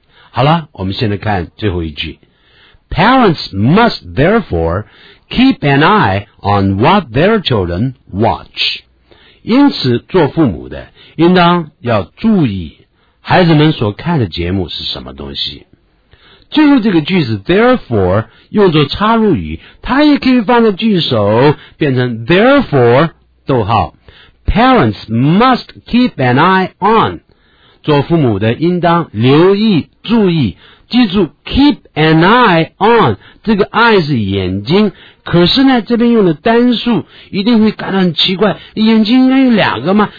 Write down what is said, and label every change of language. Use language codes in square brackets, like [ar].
[zh] 好了我们现在看最后一句。 [en] Parents must therefore keep an eye on what their children watch. [zh] 因此做父母的应当要注意孩子们所看的节目是什么东西。最后这个句子 therefore 用作插入语，它也可以放在句首变成 therefore 逗号 [en] parents must keep an eye on， [zh] 做父母的应当留意注意，记住 [en] keep an eye on， [zh] 这个 eye 是眼睛，可是呢这边用的单数一定会感到很奇怪，眼睛应该有两个吗？